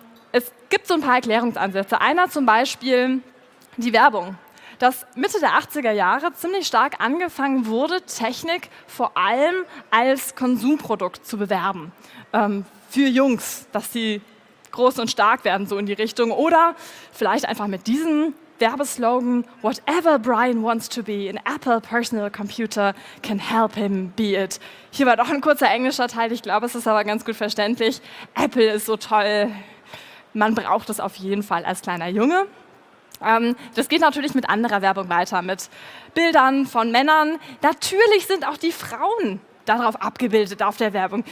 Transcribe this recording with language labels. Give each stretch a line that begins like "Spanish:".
German: Es gibt so ein paar Erklärungsansätze. Einer zum Beispiel die Werbung, dass Mitte der 80er Jahre ziemlich stark angefangen wurde, Technik vor allem als Konsumprodukt zu bewerben. Für Jungs, dass sie groß und stark werden, so in die Richtung. Oder vielleicht einfach mit diesen
English: Werbeslogan "Whatever Brian wants to be, an Apple personal computer can help him be it."
German: Hier war doch ein kurzer englischer Teil, ich glaube, es ist aber ganz gut verständlich. Apple ist so toll, man braucht es auf jeden Fall als kleiner Junge. Das geht natürlich mit anderer Werbung weiter, mit Bildern von Männern. Natürlich sind auch die Frauen darauf abgebildet auf der Werbung.